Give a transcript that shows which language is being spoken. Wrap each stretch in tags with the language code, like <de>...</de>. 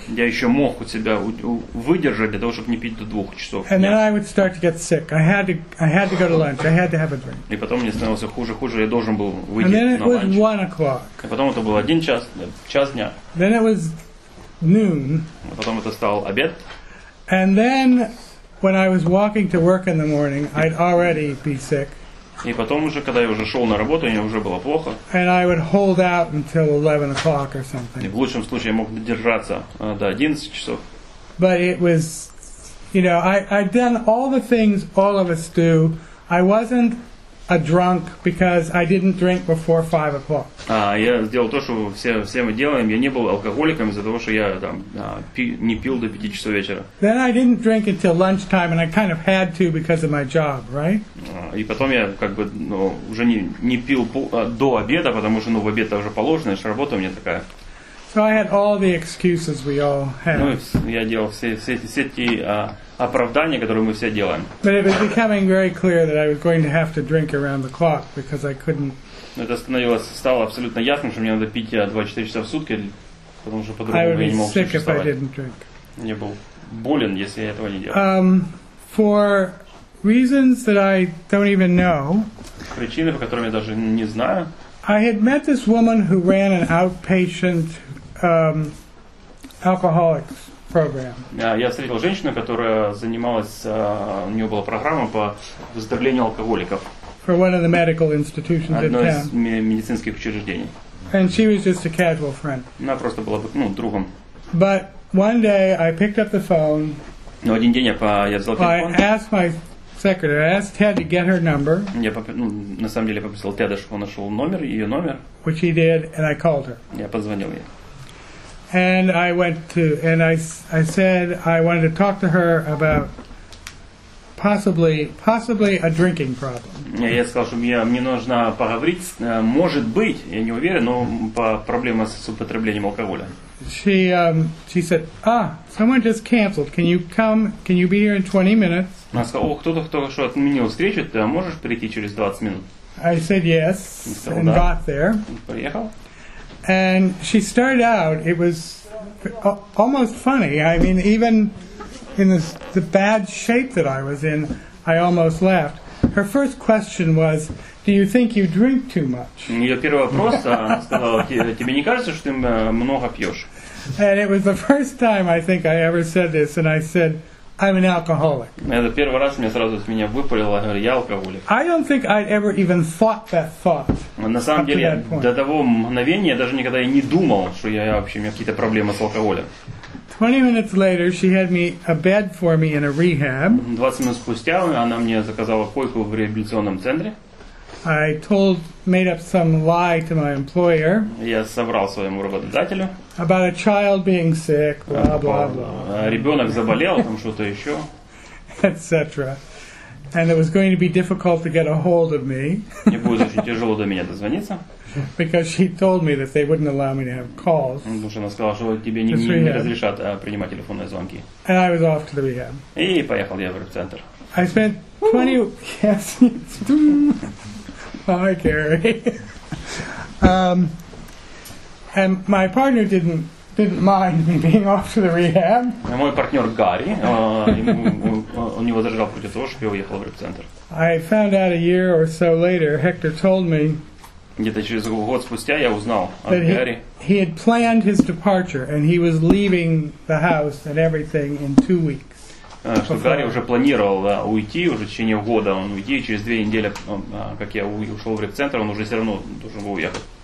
<ru>Я еще мог у себя выдержать для того, чтобы не пить до 2 часов.</ru> <en>And then I would start to get sick. I had to go to lunch. I had to have a drink.</en> <ru>И потом мне становилось хуже, хуже. Я должен был выйти на ланч.</ru> <en>then it was 1 o'clock.</en> <ru>И потом это был 1 час, час дня.</ru> <en>Then it was noon.</en> <ru>А потом это стал обед.</ru> <en>And then when I was walking to work in the morning, I'd already be sick.</en> <ru>И потом уже, когда я уже шел на работу, мне уже было плохо.</ru> <en>And I would hold out until 11 o'clock or something.</en> <ru>И в лучшем случае я мог додержаться до 11 часов.</ru> <en>But it was, you know, I'd done all the things all of us do. I wasn't a drunk because I didn't drink before 5 o'clock.</en> <ru>Я сделал то, что все мы делаем. Я не был алкоголиком из-за того, что я там не пил до 5 часов вечера.</ru> <en>Then I didn't drink until lunchtime, and I kind of had to because of my job, right?</en> <ru>И потом я как бы уже не пил до обеда, потому что в обед уже положено, и работа у меня такая.</ru> <en>So I had all the excuses we all had.</en> <ru>Ну, я делал все эти оправдания, которые мы все делаем.</ru> <en>But it was becoming very clear that I was going to have to drink around the clock because I couldn't.</en> <ru>Это стало абсолютно ясно, что мне надо пить 24 часа в сутки, потому что по-другому я не мог существовать. Я был болен, если я этого не делал.</ru> <en>For reasons that I don't even know.</en> <ru>Причины, по которым я даже не знаю.</ru> <en>I had met this woman who ran an outpatient alcoholics program.</en> <ru>Я встретил женщину, которая занималась, у нее была программа по выздоровлению алкоголиков.</ru> <en>For one of the medical institutions in town.</en> <ru>Одно из медицинских учреждений.</ru> <en>And she was just a casual friend.</en> <ru>Она просто была, ну, другом.</ru> <en>But one day I picked up the phone.</en> <ru>Но один день я взял телефон.</ru> <en>I asked my secretary, I asked Ted to get her number.</en> <ru>Я на самом деле попросил Теда, чтобы он нашел номер, ее номер.</ru> <en>Which he did, and I called her.</en> <ru>Я позвонил ей.</ru> <en>And I went to, and I said I wanted to talk to her about possibly a drinking problem.</en> <ru>Я сказал, что мне нужно поговорить, может быть, я не уверен, но по проблема с употреблением алкоголя.</ru> <en>She said, "Ah, someone just canceled. Can you come? Can you be here in 20 minutes?"</en> <ru>Она сказала, о, кто-то что отменил встречу, ты можешь прийти через 20 минут?</ru> <en>I said yes, and</en> <ru>да.</ru> <en>Got there.</en> <ru>Приехал.</ru> <en>And she started out, it was almost funny. I mean, even in the bad shape that I was in, I almost laughed. Her first question was, "Do you think you drink too much?"</en> <ru>Её первый вопрос, она сказала, тебе не кажется, что ты много пьёшь?</ru> <en>And it was the first time I think I ever said this, and I said, "I'm an alcoholic."</en> <ru>Это первый раз мне сразу с меня выпалило, говорю, я алкоголик.</ru> <en>I don't think I'd ever even thought that thought.</en> <ru>На самом деле, до того мгновения я даже никогда и не думал, что я вообще, у меня какие-то проблемы с алкоголем.</ru> <en>20 minutes later, she had me a bed for me in a rehab.</en> <ru>20 минут спустя она мне заказала койку в реабилитационном центре.</ru> <en>I told, made up some lie to my employer.</en> <ru>Я соврал своему работодателю.</ru> <en>About a child being sick, blah blah blah.</en> <ru>Ребенок заболел, там что-то еще.</ru> <en>Etc. And it was going to be difficult to get a hold of me.</en> <ru>Мне было очень тяжело до меня дозвониться.</ru> <en>Because she told me that they wouldn't allow me to have calls.</en> <ru>Потому что она сказала, что тебе не разрешат принимать телефонные звонки.</ru> <en>And I was off to the rehab.</en> <ru>И поехал я в реабилитацию.</ru> <en>I spent 20. Yes. Hi, Gary. And my partner didn't mind me being off to the rehab.</en> <ru>Мой партнер Гарри, он не возражал против того, что я уехал в реабилитацию.</ru> <en>I found out a year or so later. Hector told me.</en> <ru>Где-то через год спустя я узнал о Гарри.</ru> <en>He had planned his departure, and he was leaving the house and everything in 2 weeks.</en> <ru>Что Гарри уже планировал уйти, уже в течение года он уйти, и через 2 недели, как я ушел в реп-центр, он уже все равно должен был уехать.</ru>